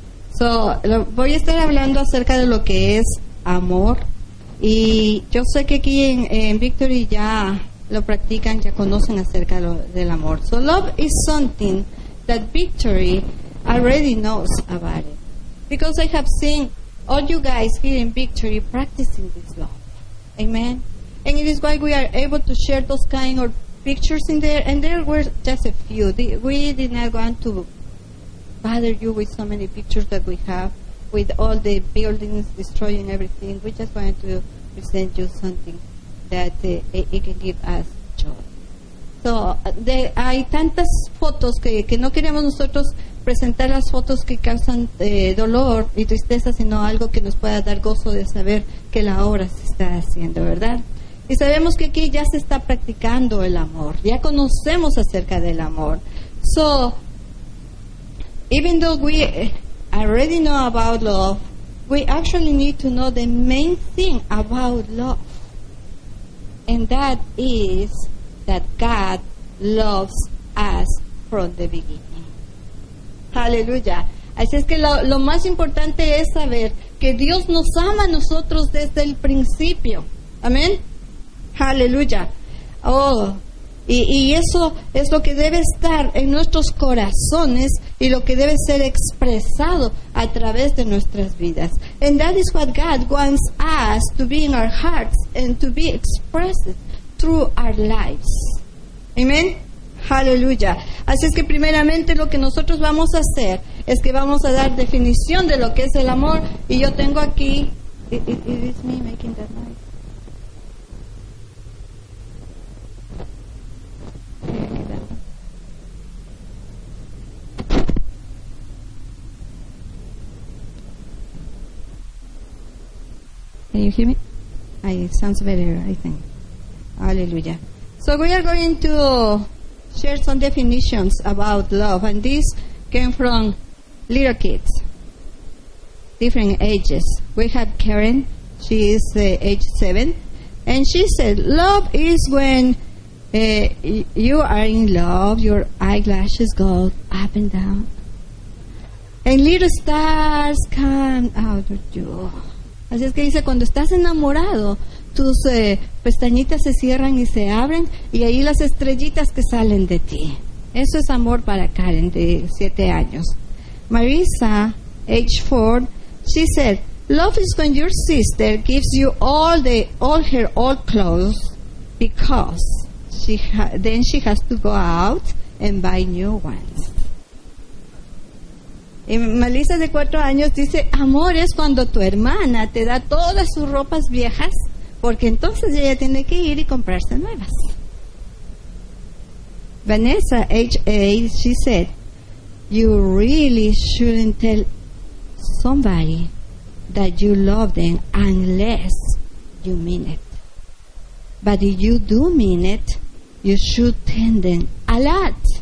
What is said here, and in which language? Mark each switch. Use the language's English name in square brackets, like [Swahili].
[Spanish] So, voy a estar hablando acerca de lo que es amor. Y yo sé que aquí en Victory ya lo practican, ya conocen acerca del amor. [English] So, love is something that Victory already knows about it. Because I have seen all you guys here in Victory practicing this love. Amen. And it is why we are able to share those kind of pictures in there. And there were just a few. We did not want to bother you with so many pictures that we have, with all the buildings destroying everything. We just wanted to present you something that it can give us joy. [Spanish] So, hay tantas fotos que no queremos nosotros presentar las fotos que causan dolor y tristeza, sino algo que nos pueda dar gozo de saber que la obra se está haciendo, ¿verdad? Y sabemos que aquí ya se está practicando el amor. Ya conocemos acerca del amor. [English] So, even though we already know about love, we actually need to know the main thing about love. And that is that God loves us from the beginning. Hallelujah. [Spanish] Así es que lo más importante es saber que Dios nos ama a nosotros desde el principio. Amén. Aleluya. Oh, y eso es lo que debe estar en nuestros corazones y lo que debe ser expresado a través de nuestras vidas. [English] And that is what God wants us to be in our hearts and to be expressed through our lives. [Spanish] Amen. Aleluya. Así es que primeramente lo que nosotros vamos a hacer es que vamos a dar definición de lo que es el amor. Y yo tengo aquí. [English] It is me making that noise. Can you hear me? It sounds better, I think. Hallelujah. So we are going to share some definitions about love, and this came from little kids, different ages. We have Karen, she is age 7, and she said, love is when you are in love, your eyelashes go up and down, and little stars come out of you. [Spanish] Así es que dice, cuando estás enamorado, tus pestañitas se cierran y se abren, y ahí las estrellitas que salen de ti. Eso es amor para Karen, de 7 años. [English] Marisa, age 4, she said, love is when your sister gives you all her old clothes, because then she has to go out and buy new ones. [Spanish] Y Melissa, de 4 años, dice, amor es cuando tu hermana te da todas sus ropas viejas, porque entonces ella tiene que ir y comprarse nuevas. [English] Vanessa, age 8, she said, you really shouldn't tell somebody that you love them unless you mean it. But if you do mean it, you should tell them a lot.